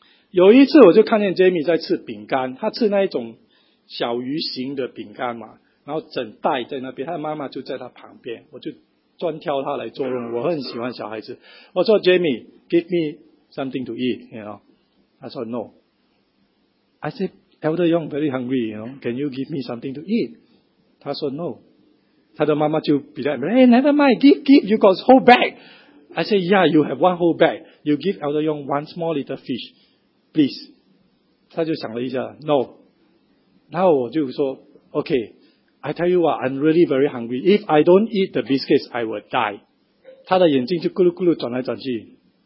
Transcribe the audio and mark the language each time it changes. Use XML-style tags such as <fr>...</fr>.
<zh>有一次我就看见 Jamie 在吃饼干，他吃那一种小鱼形的饼干嘛，然后整袋在那边，他的妈妈就在他旁边，我就专挑他来做任务。我很喜欢小孩子。我说</zh> <en>Jamie, give me something to eat, you know.</en> <zh>他说</zh> <en>no. I said, Elder Young very hungry, you know. Can you give me something to eat?</en> <zh>他说</zh> <en>no.</en> <zh>他的妈妈就比较</zh> <en>hey, never mind, give, give, you got whole bag. I said, yeah, you have one whole bag. You give Elder Young one small little fish, please.</en> <zh>他就想了一下</zh> <en>no.</en> <zh>然后我就说</zh> <en>OK,I tell you what, I'm really very hungry. If I don't eat the biscuits, I will die.</en> <zh>他的眼睛就咕噜咕噜转来转去。</zh>